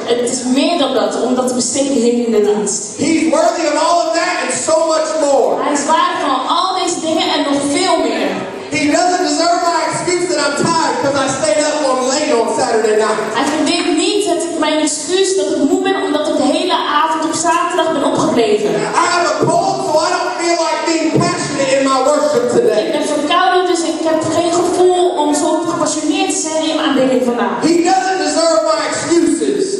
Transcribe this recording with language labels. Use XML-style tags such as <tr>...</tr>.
<nl>Het is meer dan dat, om dat te besteden hier in de dienst.</nl> <en>He's worthy of all of that and so much more.</en> <nl>Hij is waard van al deze dingen en nog veel meer.</nl> <en>He doesn't deserve my excuse that I'm tired because I stayed up on late on Saturday night.</en> <nl>Hij verdient niet dat ik mijn excuus dat ik moe ben omdat ik de hele avond op zaterdag ben opgebleven.</nl> <en>I have a cold, so I don't feel like being passionate in my worship today.</en> <nl>Ik ben verkouden, dus ik heb geen gevoel om zo gepassioneerd te zijn in mijn aanbidding vandaag.</nl> <en>He doesn't deserve my excuses.</en>